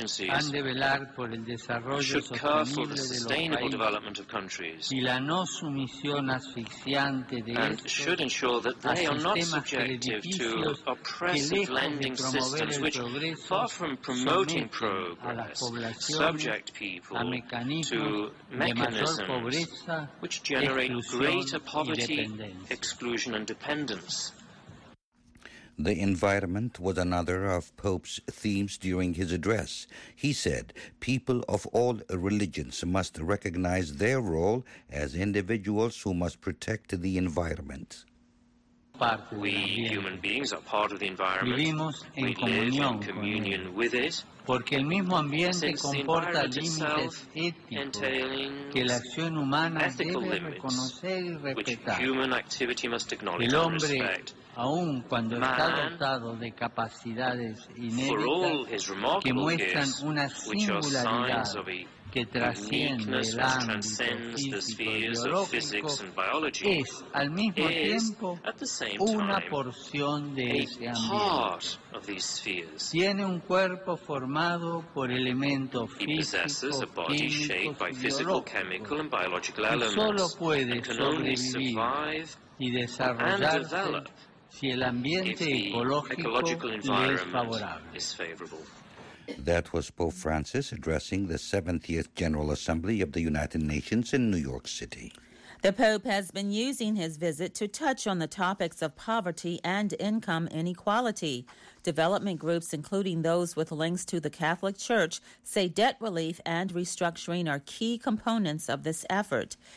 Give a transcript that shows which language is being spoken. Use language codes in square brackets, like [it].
[es] han de velar por el desarrollo sostenible de los países y la no sumisión asfixiante de estos a sistemas crediticios que lejos de promover el progreso someten a las poblaciones a mecanismos de mayor pobreza, exclusión y dependencia. [en] The environment was another of Pope's themes during his address. He said people of all religions must recognize their role as individuals who must protect the environment. We human beings are part of the environment. [es] Vivimos en comunión con él. [en] With it. [es] Porque el mismo ambiente comporta límites éticos que la acción humana debe reconocer y respetar. [en] Human activity must acknowledge [es] el hombre, aun cuando está dotado de capacidades inéditas que muestran una singularidad que trasciende el ámbito físico y biológico, es al mismo tiempo una porción de ese ambiente. Tiene un cuerpo formado por elementos físicos, químicos y biológicos, y solo puede sobrevivir y desarrollarse si el ambiente ecológico le es favorable. [en] That was Pope Francis addressing the 70th General Assembly of the United Nations in New York City. The Pope has been using his visit to touch on the topics of poverty and income inequality. Development groups, including those with links to the Catholic Church, say debt relief and restructuring are key components of this effort.